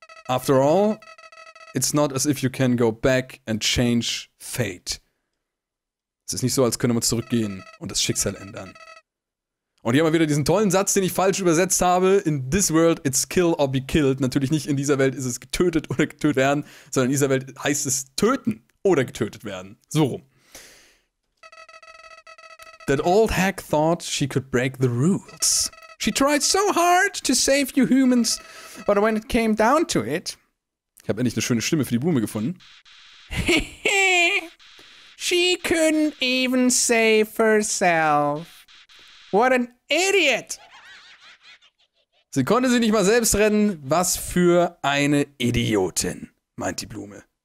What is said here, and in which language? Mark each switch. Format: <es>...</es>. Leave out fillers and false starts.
<en>After all, it's not as if you can go back and change fate.</en> <de>Es ist nicht so, als könne man zurückgehen und das Schicksal ändern. Und hier haben wir wieder diesen tollen Satz, den ich falsch übersetzt habe.</de> <en>In this world, it's kill or be killed.</en> <de>Natürlich nicht in dieser Welt ist es getötet oder getötet werden, sondern in dieser Welt heißt es töten oder getötet werden. So rum.</de> <en>That old hag thought she could break the rules. She tried so hard to save you humans, but when it came down to it...</en> <de>Ich habe endlich eine schöne Stimme für die Blume gefunden.</de> <en>She couldn't even save herself. What an idiot!</en> <de>Sie konnte sich nicht mal selbst retten. Was für eine Idiotin, meint die Blume.</de>